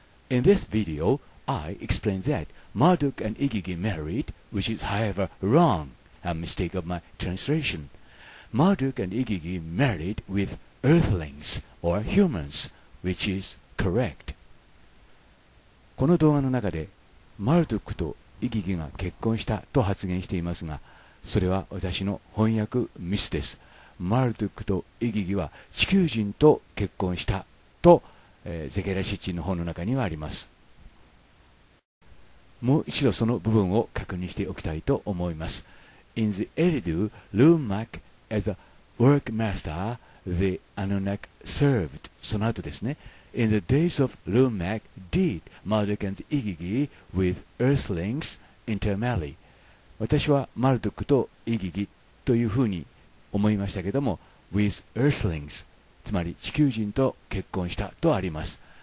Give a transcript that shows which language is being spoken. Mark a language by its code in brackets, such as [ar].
[en] In this video, I explain that Marduk and Igigi married, which is however wrong. A mistake of my translation. Marduk and Igigi married with earthlings or humans, which is correct. [ja] この動画の中で、マルドゥックとイギギが結婚したと発言していますが、それは私の翻訳ミスです。マルドゥックとイギギは地球人と結婚したと、ゼケラシッチの本の中にはあります。もう一度その部分を確認しておきたいと思います。 [en] In the Eridu, Lumak as a workmaster, the Anunnak served. [ja] その後ですね。 [en] In the days of Lumak, did Marduk and Igigi with earthlings intermarry? [ja] 私はマルドックとイギギというふうに思いましたけども、 [en] with earthlings, [ja] つまり地球人と結婚したとあります。